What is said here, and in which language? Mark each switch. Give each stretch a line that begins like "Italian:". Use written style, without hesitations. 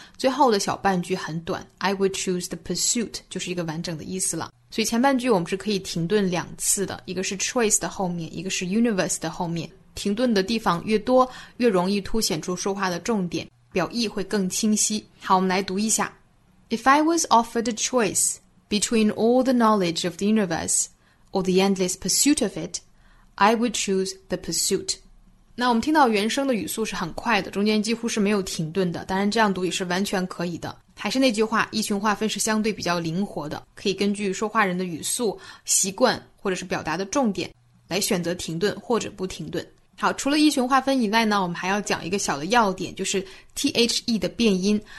Chinese: 最后的小半句很短 ,
English: I would choose the pursuit,
Chinese: 就是一个完整的意思了。所以前半句我们是可以停顿两次的，一个是 choice 的后面，一个是 universe 的后面。停顿的地方越多，越容易凸显出说话的重点，表意会更清晰。好，我们来读一下。
English: If I was offered a choice between all the knowledge of the universe or the endless pursuit of it, I would choose the pursuit.
Chinese: 那我们听到原声的语速是很快的，中间几乎是没有停顿的，当然这样读也是完全可以的。还是那句话，意群划分是相对比较灵活的，可以根据说话人的语速、习惯或者是表达的重点来选择停顿或者不停顿。好，除了意群划分以外呢，我们还要讲一个小的要点，就是 THE 的变音。